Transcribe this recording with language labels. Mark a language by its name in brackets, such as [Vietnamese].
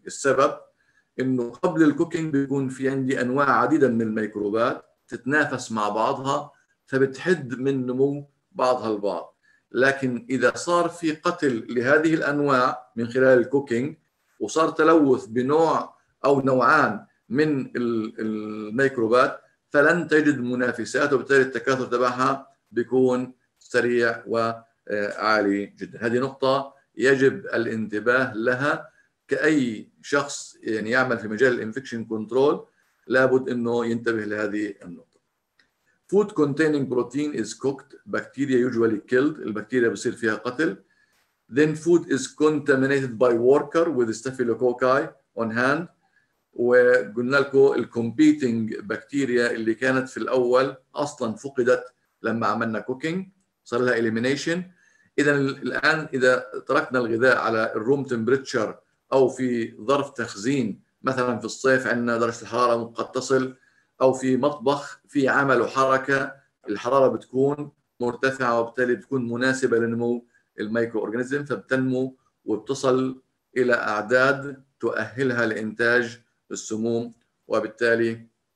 [Arabic] السبب انه قبل الكوكينج بيكون في عندي انواع عديدة من الميكروبات تتنافس مع بعضها فبتحد من نمو بعضها البعض، لكن اذا صار في قتل لهذه الانواع من خلال الكوكينج وصار تلوث بنوع او نوعان من الميكروبات فلن تجد منافسات، وبالتالي التكاثر تبعها بيكون سريع وعالي جدا. هذه نقطة يجب الانتباه لها كأي شخص يعني يعمل في مجال الانفكشن كنترول، لابد انه ينتبه لهذه النقطة. [English] Food containing protein is cooked. Bacteria usually killed. [Arabic] البكتيريا بصير فيها قتل. [English] Then food is contaminated by worker with staphylococci on hand. [Arabic] وقلنا لكم الكومبيتينج بكتيريا اللي كانت في الأول أصلاً فقدت لما عملنا كوكينج، صار لها إليمينيشن. إذن الآن إذا تركنا الغذاء على الروم تمبريتشر أو في ظرف تخزين، مثلاً في الصيف عندنا درجة الحرارة قد تصل، أو في مطبخ في عمل وحركة الحرارة بتكون مرتفعة وبالتالي بتكون مناسبة لنمو الميكرو أورجانيزم، فبتنمو وبتصل إلى أعداد تؤهلها لإنتاج السموم، وبالتالي